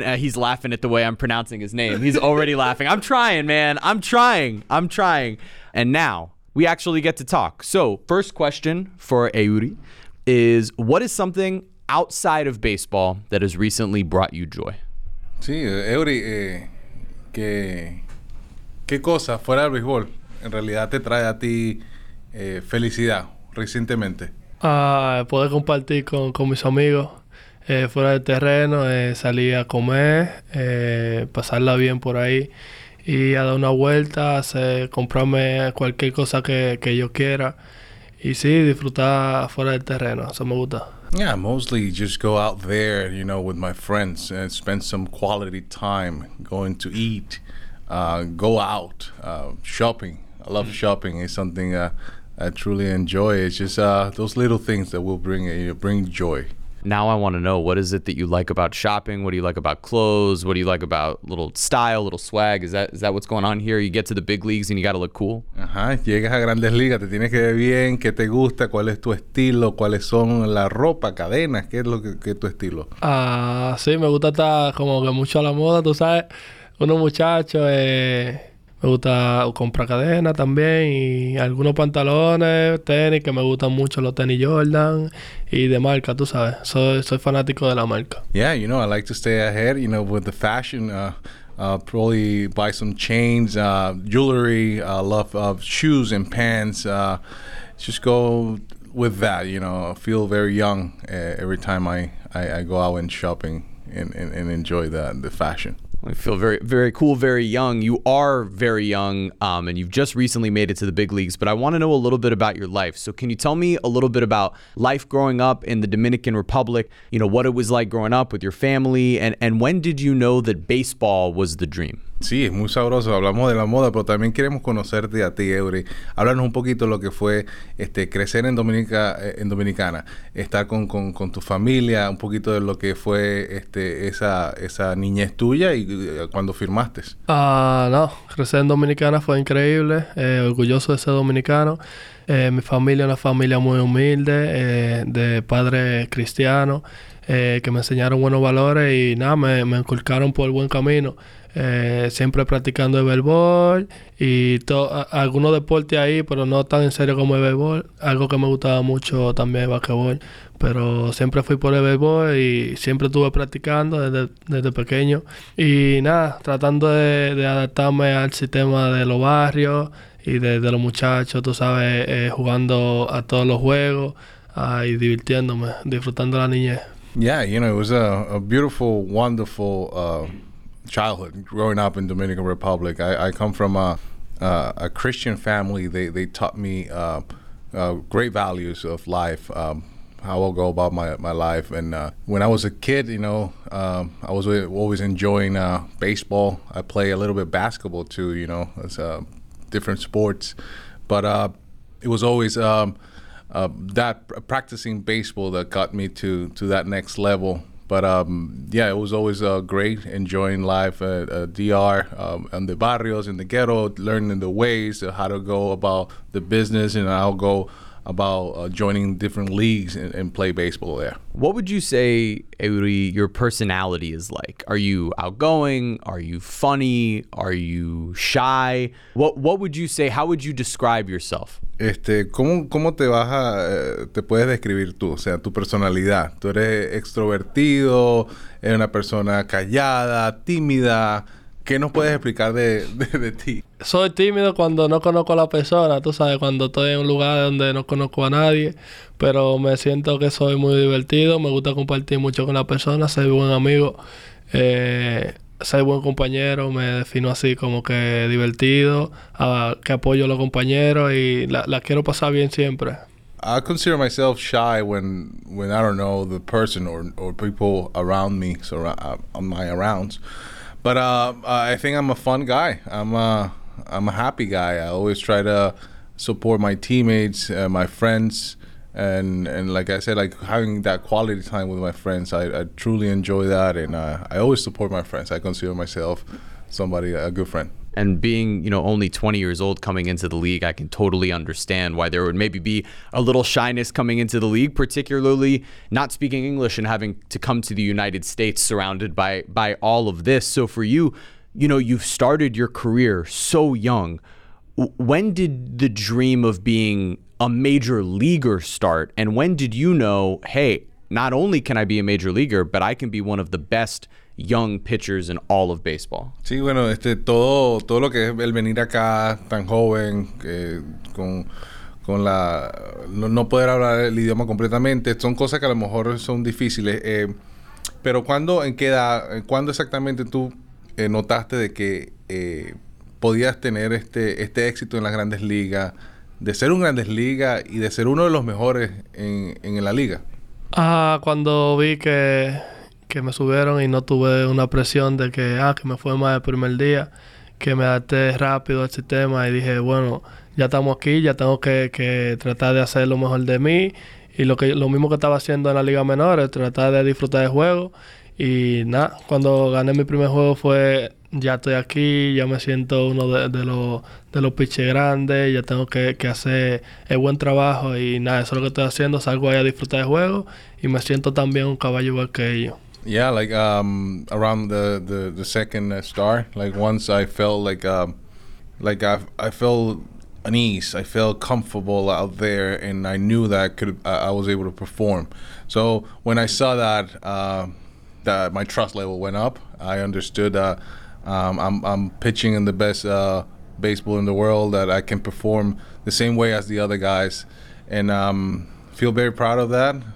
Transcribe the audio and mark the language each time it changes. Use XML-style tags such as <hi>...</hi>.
<en>He's laughing at the way I'm pronouncing his name. He's already laughing. I'm trying, man. And now we actually get to talk. So first question for Eury is, what is something outside of baseball that has recently brought you joy?</en> <es>Sí, Eury, ¿qué cosa fuera del béisbol en realidad te trae a ti felicidad recientemente? Poder compartir con mis amigos. Fuera del terreno, salir a comer, pasarla bien por ahí y a dar una vuelta, comprarme cualquier cosa que yo quiera y sí, disfrutar fuera del terreno. Eso me gusta.</es> <en>Yeah, mostly just go out there, you know, with my friends and spend some quality time going to eat, go out, shopping. I love shopping. It's something I truly enjoy. It's just those little things that will bring joy. Now I want to know, what is it that you like about shopping? What do you like about clothes? What do you like about little style, little swag? Is that what's going on here? You get to the big leagues and you got to look cool?</en> <es>Ajá. Llegas a grandes ligas, te tienes que ver bien. ¿Qué te gusta? ¿Cuál es tu estilo? ¿Cuáles son la ropa, cadenas? ¿Qué es lo que es tu estilo? Sí, me gusta estar como que mucho a la moda, tú sabes. Uno muchacho, me gusta comprar cadena también y algunos pantalones, tenis, que me gustan mucho los tenis Jordan y de marca, tú sabes. Soy fanático de la marca.</es> <en>Yeah, you know, I like to stay ahead, you know, with the fashion. Probably buy some chains, jewelry, love of shoes and pants. Just go with that, you know. I feel very young every time I go out and shopping and enjoy the fashion. I feel very, very cool, very young. You are very young, and you've just recently made it to the big leagues, but I want to know a little bit about your life. So can you tell me a little bit about life growing up in the Dominican Republic, you know, what it was like growing up with your family, and when did you know that baseball was the dream?</en> <es>Sí, es muy sabroso. Hablamos de la moda, pero también queremos conocerte a ti, Eury. Háblanos un poquito de lo que fue crecer en Dominicana, estar con tu familia, un poquito de lo que fue esa niñez tuya y cuando firmaste. No, crecer en Dominicana fue increíble. Orgulloso de ser dominicano. Mi familia es una familia muy humilde, de padre cristiano, que me enseñaron buenos valores y nada, me inculcaron por el buen camino. Siempre practicando el béisbol y algunos deportes ahí, pero no tan en serio como el béisbol. Algo que me gustaba mucho también, el basquetbol, pero siempre fui por el béisbol y siempre estuve practicando desde pequeño. Y nada, tratando de adaptarme al sistema de los barrios y de los muchachos, tú sabes, jugando a todos los juegos y divirtiéndome, disfrutando la niñez.</es> <en>Yeah, you know, it was a beautiful, wonderful childhood growing up in Dominican Republic. I come from a Christian family. They taught me great values of life, how I'll go about my life. And when I was a kid, you know, I was always enjoying baseball. I play a little bit basketball too, you know, as different sports. But it was always that practicing baseball that got me to that next level. But yeah, it was always great enjoying life at DR, in the barrios, in the ghetto, learning the ways of how to go about the business, and I'll go about joining different leagues and play baseball there. What would you say, Eury, your personality is like? Are you outgoing? Are you funny? Are you shy? What would you say? How would you describe yourself?</en> <es>¿Cómo te vas a, te puedes describir tú? O sea, tu personalidad. Tú eres extrovertido, eres una persona callada, tímida. ¿Qué nos puedes explicar de ti? Soy tímido cuando no conozco a la persona, tú sabes, cuando estoy en un lugar donde no conozco a nadie, pero me siento que soy muy divertido, me gusta compartir mucho con la persona, ser buen amigo, ser buen compañero, me defino así como que divertido, que apoyo a los compañeros y la quiero pasar bien siempre.</es> <en>I consider myself shy when I don't know the person or people around me, so on my arounds. But I think I'm a fun guy. I'm a happy guy. I always try to support my teammates, my friends, and like I said, like having that quality time with my friends. I truly enjoy that, and I always support my friends. I consider myself somebody, a good friend. And being, you know, only 20 years old coming into the league, I can totally understand why there would maybe be a little shyness coming into the league, particularly not speaking English and having to come to the United States surrounded by all of this. So for you, you know, you've started your career so young. When did the dream of being a major leaguer start? And when did you know, hey, not only can I be a major leaguer, but I can be one of the best young pitchers in all of baseball?</en> <es>Sí, bueno, todo lo que es el venir acá tan joven, con la no poder hablar el idioma completamente, son cosas que a lo mejor son difíciles. Pero cuando, en qué edad, cuando exactamente tú notaste de que podías tener este éxito en las grandes ligas, de ser un grandes ligas y de ser uno de los mejores en la liga? Cuando vi que me subieron y no tuve una presión de que me fue mal el primer día, que me adapté rápido al sistema y dije, bueno, ya estamos aquí, ya tengo que tratar de hacer lo mejor de mí y lo mismo que estaba haciendo en la liga menor, es tratar de disfrutar del juego y nada, cuando gané mi primer juego fue, ya estoy aquí, ya me siento uno de los piches grandes, ya tengo que hacer el buen trabajo y nada, eso es lo que estoy haciendo, salgo ahí a disfrutar del juego y me siento también un caballo igual que ellos.</es> <en>Yeah, like around the second star, like once I felt like I felt an ease, I felt comfortable out there, and I knew that I was able to perform. So when I saw that that my trust level went up, I understood that I'm pitching in the best baseball in the world, that I can perform the same way as the other guys, and feel very proud of that.</en>